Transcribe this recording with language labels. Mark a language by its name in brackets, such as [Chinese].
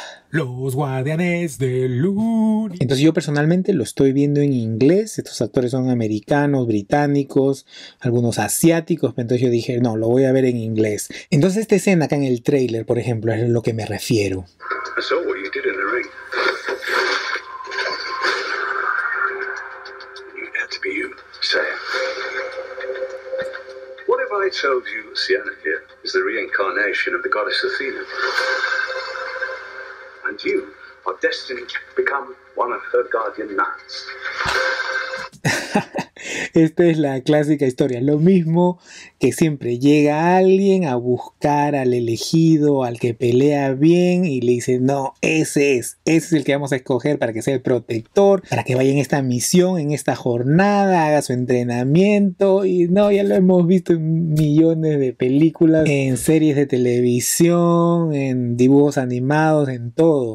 [Spanish] Los guardianes del universo. Entonces yo personalmente lo estoy viendo en inglés. Estos actores son americanos, británicos, algunos asiáticos. Entonces yo dije, no, lo voy a ver en inglés. Entonces esta escena acá en el trailer, por ejemplo, es a lo que me refiero. [English] So what you did in the ring. You had to be you, Saiyan. What if I told you Sienna here is the reincarnation of the goddess Athena? And you are destined to become one of her guardian knights. [Spanish] Esta es la clásica historia, lo mismo que siempre llega alguien a buscar al elegido, al que pelea bien, y le dice, no, ese es el que vamos a escoger para que sea el protector, para que vaya en esta misión, en esta jornada, haga su entrenamiento, y no, ya lo hemos visto en millones de películas, en series de televisión, en dibujos animados, en todo.